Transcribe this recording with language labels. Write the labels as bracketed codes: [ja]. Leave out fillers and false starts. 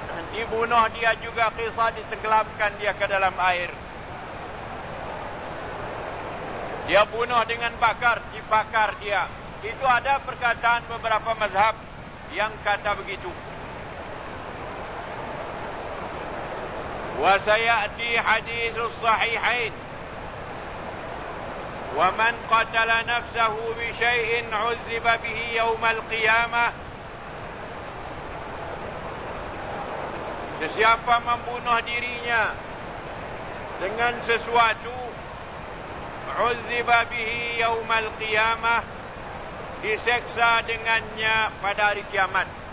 [ms] Dibunuh dia juga kisah ditenggelamkan dia ke dalam air. Dia bunuh dengan bakar, dibakar dia. Itu ada perkataan beberapa mazhab yang kata begitu. [ar] وسيأتي حديث الصحيحين ومن قتل نفسه بشيء عذب به يوم القيامة. [ms] Sesiapa membunuh dirinya dengan sesuatu, [ar] عذب به يوم القيامة, [ms] diseksa dengannya pada hari kiamat.